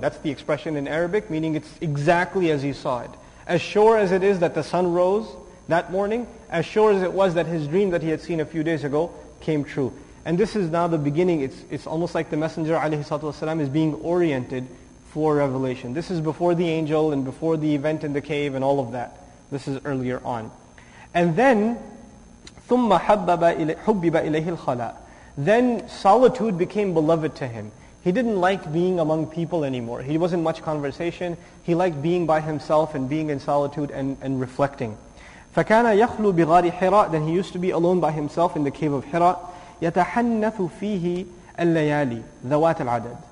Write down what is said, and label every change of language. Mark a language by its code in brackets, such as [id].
[en] That's the expression in Arabic, meaning it's exactly as he saw it, as sure as it is that the sun rose that morning, as sure as it was that his dream that he had seen a few days ago came true. And this is now the beginning. It's almost like the Messenger alayhi salatu wasalam is being oriented for revelation. This is before the angel and before the event in the cave and all of that. This is earlier on. And then [ar] ثُمَّ حُبِّبَ إِلَيْهِ الْخَلَىٰ. [en] Then solitude became beloved to him. He didn't like being among people anymore. He wasn't much conversation. He liked being by himself and being in solitude and reflecting. [ar] فَكَانَ يَخْلُو بِغَارِ حِرَىٰ. [en] Then he used to be alone by himself in the cave of Hira. [ar] يَتَحَنَّثُ فِيهِ الْلَيَالِ ذَوَاتِ الْعَدَدِ.